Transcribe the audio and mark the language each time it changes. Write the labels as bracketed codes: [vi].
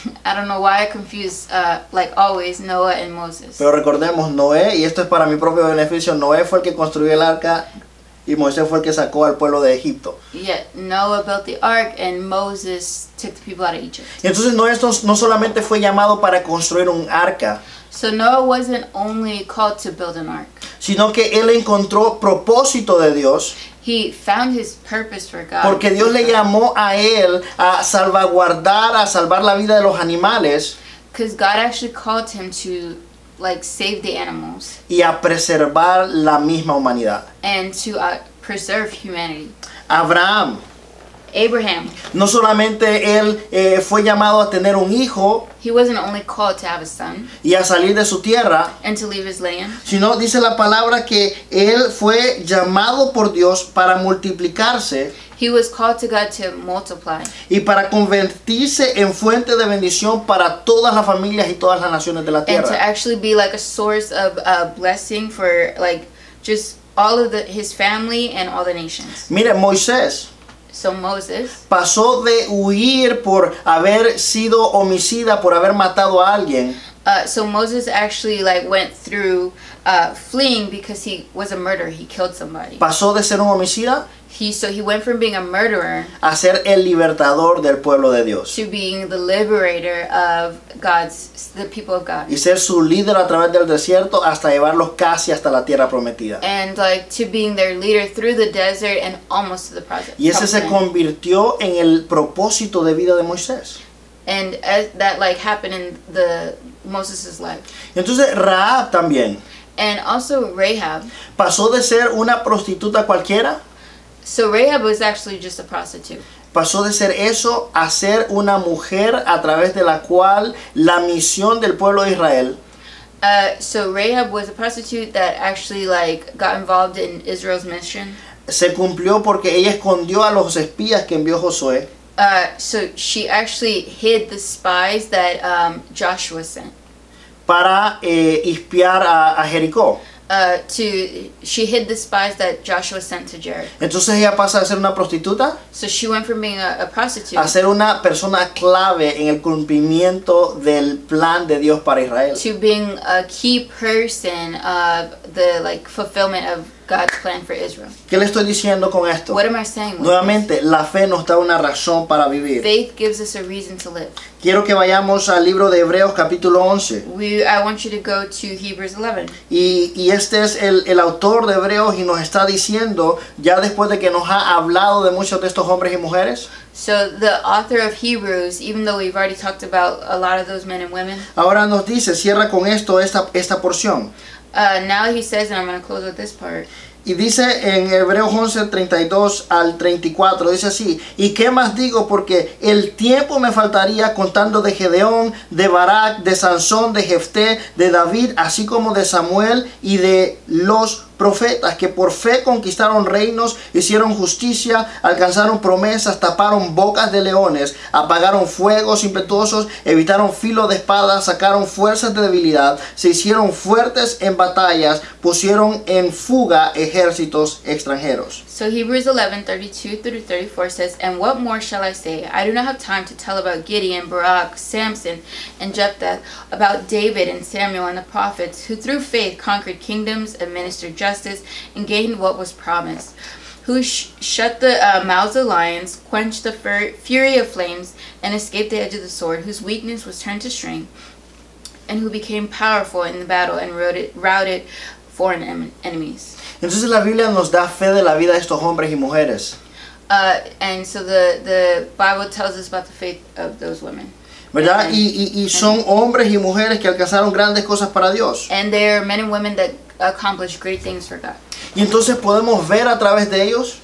[en] I don't know why I confuse, like, always, Noah and Moses. [es] Pero recordemos, Noé, y esto es para mi propio beneficio, Noé fue el que construyó el arca Y Moisés fue el que sacó al pueblo de Egipto. [en] Yet Noah built the ark and Moses took the people out of Egypt. [es] Y entonces no solamente fue llamado para construir un arca. [en] So Noah wasn't only called to build an ark. [es] Sino que él encontró propósito de Dios. [en] He found his purpose for God. [es] Porque Dios le llamó a él a salvaguardar, a salvar la vida de los animales. [en] Because God actually called him to, like, save the animals. [es] Y a preservar la misma humanidad. [en] And to preserve humanity. [es] Abraham. [en] Abraham. [es] No solamente él fue llamado a tener un hijo. [en] He wasn't only called to have a son. [es] Y a salir de su tierra. [en] And to leave his land. [es] Sino dice la palabra que él fue llamado por Dios para multiplicarse. [en] He was called to God to multiply. [es] Y para convertirse en fuente de bendición para todas las familias y todas las naciones de la tierra. [en] And to actually be like a source of a blessing for like just all of his family and all the nations. [es] Mire, Moisés. [en] So Moses. [es] Pasó de huir por haber sido homicida, por haber matado a alguien. [en] So Moses actually like went through fleeing because he was a murderer. He killed somebody. [es] Pasó de ser un homicida. [en] He went from being a murderer. [es] A ser el libertador del pueblo de Dios. [en] To being the liberator of God's, the people of God. [es] Y ser su líder a través del desierto hasta llevarlos casi hasta la tierra prometida. [en] And like to being their leader through the desert and almost to the promised land. [es] Y ese se convirtió en el propósito de vida de Moisés. [en] And as that like happened in the Moses's life. [es] Entonces Rahab también. [en] And also Rahab. [es] Pasó de ser una prostituta cualquiera. [en] So Rahab was actually just a prostitute. [es] Pasó de ser eso a ser una mujer a través de la cual la misión del pueblo de Israel. [en] So Rahab was a prostitute that actually like got involved in Israel's mission. [es] Se cumplió porque ella escondió a los espías que envió Josué. [en] So she actually hid the spies that Joshua sent. [es] Para espiar a Jericó. [en] She hid the spies that Joshua sent to Jericho. [es] Entonces ella pasa a ser una prostituta. [en] So she went from being a prostitute. [es] A ser una persona clave en el cumplimiento del plan de Dios para Israel. [en] To being a key person of the like fulfillment of God's plan for Israel. [es] ¿Qué le estoy diciendo con esto? [en] What am I saying? [es] Nuevamente, [en] this? [es] La fe nos da una razón para vivir. [en] Faith gives us a reason to live. [es] Quiero que vayamos al libro de Hebreos capítulo 11. [en] I want you to go to Hebrews 11. [es] Y este es el autor de Hebreos y nos está diciendo, ya después de que nos ha hablado de muchos de estos hombres y mujeres. [en] So the author of Hebrews, even though we've already talked about a lot of those men and women. [es] Ahora nos dice, cierra con esto esta porción. [en] Now he says, and I'm going to close with this part. [es] Y dice en Hebreos 11, 32 al 34, dice así. ¿Y qué más digo? Porque el tiempo me faltaría contando de Gedeón, de Barak, de Sansón, de Jefté, de David, así como de Samuel y de los profetas que por fe conquistaron reinos, hicieron justicia, alcanzaron promesas, taparon bocas de leones, apagaron fuegos impetuosos, evitaron filo de espada, sacaron fuerzas de debilidad, se hicieron fuertes en batallas, pusieron en fuga ejércitos extranjeros. [en] So Hebrews 11:32-34 says, and what more shall I say? I do not have time to tell about Gideon, Barak, Samson, and Jephthah, about David and Samuel and the prophets, who through faith conquered kingdoms, administered justice, and gained what was promised, who shut the mouths of lions, quenched the fury of flames, and escaped the edge of the sword, whose weakness was turned to strength, and who became powerful in the battle and routed foreign enemies. [es] Entonces la Biblia nos da fe de la vida de estos hombres y mujeres. [en] And so the Bible tells us about the faith of those women. [es] ¿Verdad? Y son hombres y mujeres que alcanzaron grandes cosas para Dios. [en] And they are men and women that accomplished great things for God. [es] Y entonces podemos ver a través de ellos.